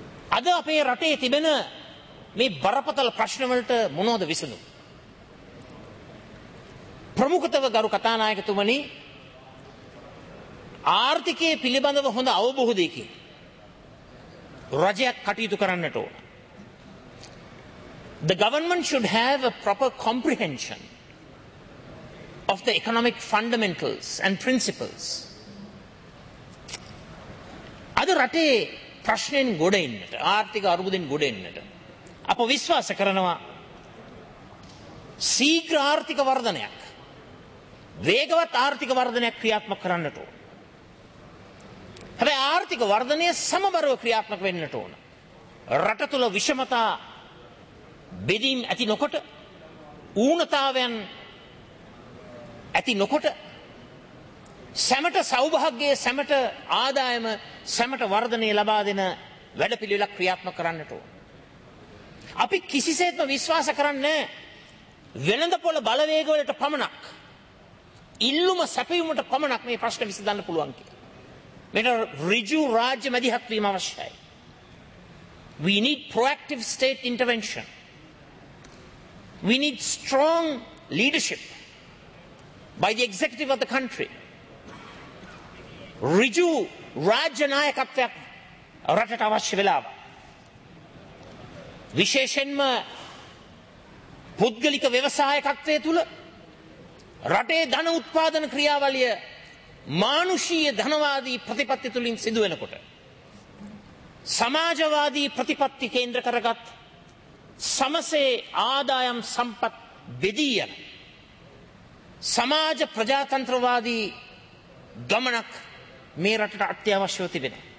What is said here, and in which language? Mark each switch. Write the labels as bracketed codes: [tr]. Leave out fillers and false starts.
[si] අද අපේ රටේ තිබෙන මේ බරපතල ප්‍රශ්නවලට මොනවද විසඳුම්? ප්‍රමුඛතව ගරු කථානායකතුමනි, ආර්ථිකයේ පිළිබඳව හොඳ අවබෝධයකින් රජයක් කටයුතු කරන්නට ඕන. [en] The government should have a proper comprehension of the economic fundamentals and principles. [si] අද රටේ ප්‍රශ්නෙන් ගොඩ එන්නට, ආර්ථික අර්බුදෙන් ගොඩ එන්නට අප විශ්වාස කරනවා ශීඝ්‍ර ආර්ථික වර්ධනයක්, වේගවත් ආර්ථික වර්ධනයක් ක්‍රියාත්මක කරන්නට ඕන. හැබැයි ආර්ථික වර්ධනය සමබරව ක්‍රියාත්මක වෙන්නට ඕන. රට තුළ විෂමතා බෙදීම් ඇති නොකොට, ඌනතාවයන් ඇති නොකොට, සැමට සෞභාග්‍යයේ, සැමට ආදායම, සැමට වර්ධනය ලබා දෙන වැඩපිළිවෙලක් ක්‍රියාත්මක කරන්නට ඕන. අපි කිසිසේත්ම විශ්වාස කරන්නේ වෙළඳපොළ බලවේගවලට පමණක්, ඉල්ලුම සැපයීමට පමණක් මේ ප්‍රශ්න විසඳන්න පුළුවන් කියලා. මෙතන ඍජු රාජ්‍ය මැදිහත් වීම අවශ්‍යයි. [en] We need proactive state intervention. We need strong leadership by the executive of the country. [si] ඍජු රාජ්‍ය නායකත්වයක් රටට අවශ්‍ය වෙලාව. විශේෂයෙන්ම පුද්ගලික ව්‍යවසායකත්වය තුළ රටේ ධන උත්පාදන ක්‍රියාවලිය මානුෂීය ධනවාදී ප්‍රතිපත්ති තුළින් සිදුවෙනකොට, සමාජවාදී ප්‍රතිපත්ති කේන්ද්ර කරගත් සමසේ ආදායම් සම්පත් බෙදී යන සමාජ ප්‍රජාතන්ත්‍රවාදී ගමනක් මේ රටට අත්‍යවශ්‍යව තිබෙන.